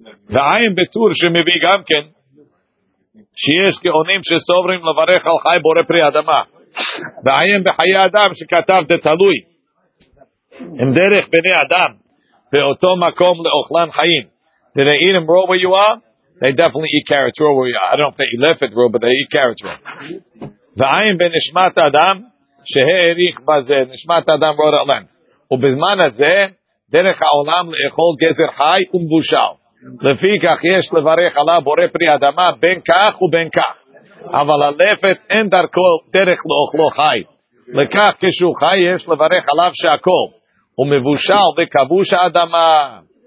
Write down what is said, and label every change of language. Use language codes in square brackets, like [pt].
[he] והאם בטור שמביא גם כן שיש גאונים שסוברים לברך על חי בורא פרי אדמה והאם בחיי אדם שכתב דתלוי עם דרך בני אדם באותו מקום לאוכלן חיים [en] did they eat them raw where you are? They definitely eat carrots raw where you are. I don't know if they left it raw but they eat carrots raw. [he] והאם בנשמת אדם שהאריך בזה נשמת אדם רואה עולם ובזמן הזה דרך העולם לאכול גזר חי ומבושל לפי כך יש לברך עליו בורא פרי אדמה בין כך ובין כך אבל הלפת אין דרך לאוכלו חי לכך כשהוא חי יש לברך עליו שהכל הוא מבושל וכבוש האדמה